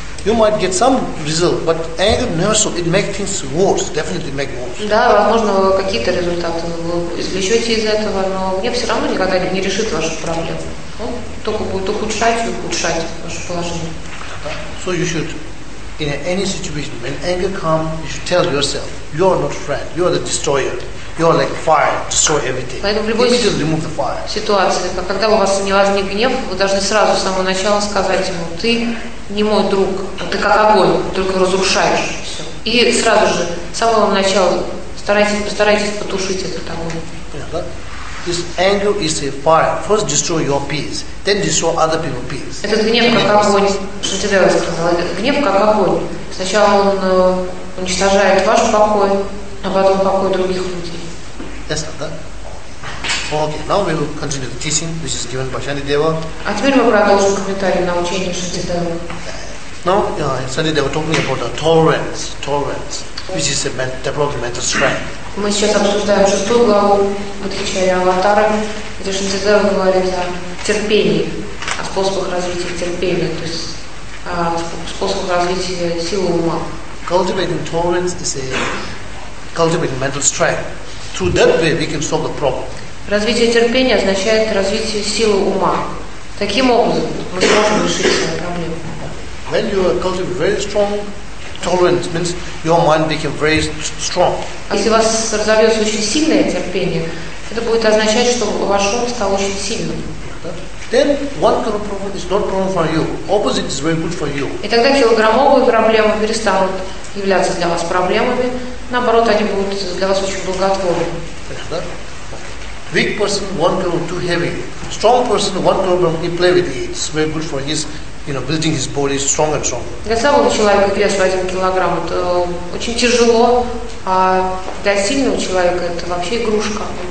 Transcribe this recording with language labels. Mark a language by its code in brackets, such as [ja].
[en] You might get some result, but anger never so it makes things worse. Definitely makes worse. [ru] Да, возможно, какие-то результаты вы извлечете из этого, но мне все равно никогда не решит вашу проблему. Он только будет ухудшать и ухудшать ваше положение. [en] So you should, in any situation, when anger comes, you should tell yourself, you are not friend, you are the destroyer, you are like fire, destroy everything. [ru] Поэтому в любой ситуации, когда у вас не возник гнев, вы должны сразу с самого начала сказать ему, ты не мой друг, а ты как огонь, только разрушаешь все. И сразу же, с самого начала, постарайтесь потушить этот огонь. [en] This anger is a fire. First destroy your peace, then destroy other people's peace. [ru] Этот гнев как огонь. Шантидева сказала, гнев как огонь. Сначала он уничтожает ваш покой, а потом покой других людей. [en] Yes, Nanda. Okay, now we will continue the teaching, which is given by Шантидева. [ru] А теперь мы продолжим комментарий на учение Шантидева. [en] Now, Шантидева talking about the tolerance, which is a developmental strength. [ru] Мы сейчас обсуждаем шестую главу Бодхичарьи Аватары, где Шантидева говорит о терпении, о способах развития терпения, то есть о способах развития силы ума. [en] Cultivating tolerance is a cultivating mental strength. Through that way we can solve the problem. [ru] Развитие терпения означает развитие силы ума. Таким образом мы сможем решить свою проблему. [en] When you are cultivating very strong tolerance means your mind became very strong. [ru] Если у вас разовьется очень сильное терпение, это будет означать, что ваш ум стал очень сильным. [en] Then one kilo problem is not problem for you. Opposite is very good for you. [ru] И тогда килограммовые проблемы перестанут являться для вас проблемами. Наоборот, они будут для вас очень благотворны. [en] Weak person one kilo too heavy. Strong person one kilogram he play with it. It's very good for his building his body strong and strong. [ru] Для слабого человека вес в 1 килограмм это очень тяжело, а для сильного человека это вообще игрушка.